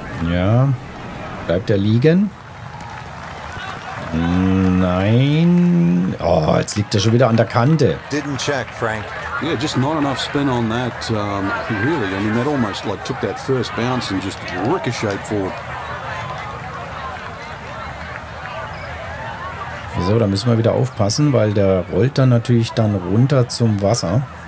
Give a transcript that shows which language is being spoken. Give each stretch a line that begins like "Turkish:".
German: Ja, bleibt er liegen? Nein. Oh, jetzt liegt er schon wieder an der Kante.
English: Didn't check, Frank. Yeah, just not enough spin on that. Really, I mean, that almost like took that first bounce and just ricocheted forward.
German: So, da müssen wir wieder aufpassen, weil der rollt dann natürlich dann runter zum Wasser.